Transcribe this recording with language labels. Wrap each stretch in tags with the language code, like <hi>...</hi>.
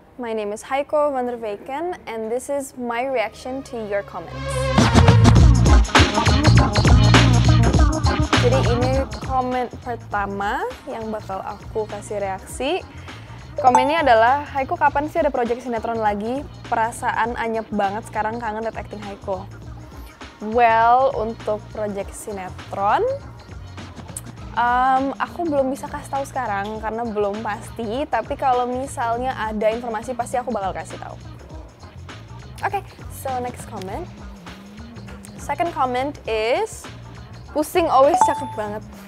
<en>My name is Heiko van der Weken and this is my reaction to your comments.</en> <id>Jadi ini komen pertama yang bakal aku kasih reaksi. Komennya adalah, Heiko kapan sih ada proyek sinetron lagi? Perasaan anyep banget sekarang kangen lihat acting Heiko. Well, untuk proyek sinetron aku belum bisa kasih tahu sekarang karena belum pasti, tapi kalau misalnya ada informasi pasti aku bakal kasih tahu.</id> <en>Okay, so next comment. Second comment is Pusing always</en> <id>cakep banget.</id>